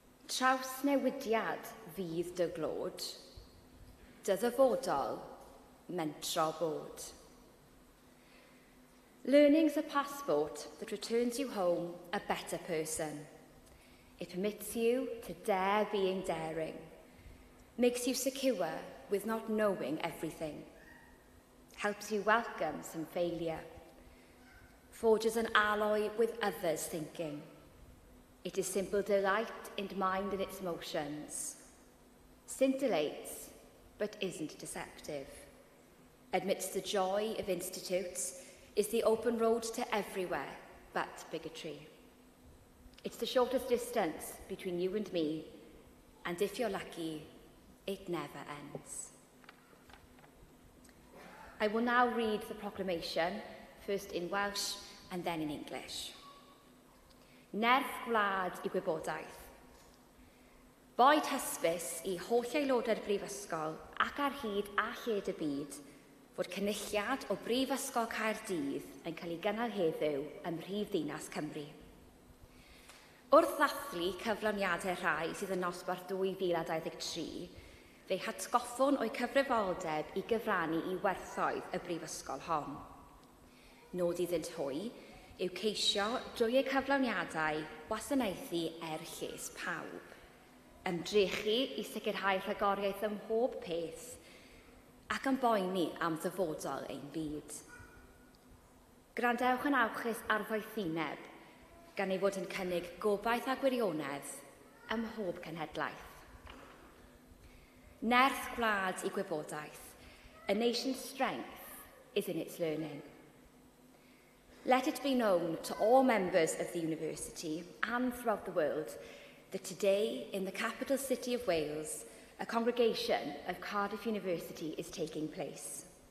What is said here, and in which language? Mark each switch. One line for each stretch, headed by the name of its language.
Welsh: Traws newidiad fydd dy glod, dyddyfodol, mentro bod.
English: Learning's a passport that returns you home a better person. It permits you to dare being daring, makes you secure with not knowing everything, helps you welcome some failure, forges an alloy with others' thinking. It is simple delight in mind and its motions, scintillates but isn't deceptive, admits the joy of institutes, is the open road to everywhere but bigotry. It's the shortest distance between you and me, and if you're lucky, it never ends. I will now read the proclamation, first in Welsh and then in English.
Welsh: Nerth gwlad i gwybodaeth. Boed hysbys i holl aelodau'r brifysgol ac ar hyd a lled y byd fod cynulliad o Brifysgol Caerdydd yn cael ei gynnal heddiw ym Mhrifddinas Cymru. Wrth ddathlu cyflawniadau rhai sydd yn nosbarth 2023, fe'i hatgoffwn o'i cyfrifoldeb i gyfrannu i werthoedd y Brifysgol hon. Nod iddynt hwy yw ceisio drwy eu cyflawniadau wasanaethu er lles pawb, ymdrechu i sicrhau rhagoriaeth ym mhob peth ac yn boeni am ddyfodol ein byd. Grandewch yn awchus ar ddoethineb gan ei fod yn cynnig gobaith a gwirionedd ym mhob cenhedlaeth. Nerth gwlad i gwybodaeth,
English: a nation's strength is in its learning. Let it be known to all members of the university and throughout the world that today in the capital city of Wales, a congregation of Cardiff University is taking place.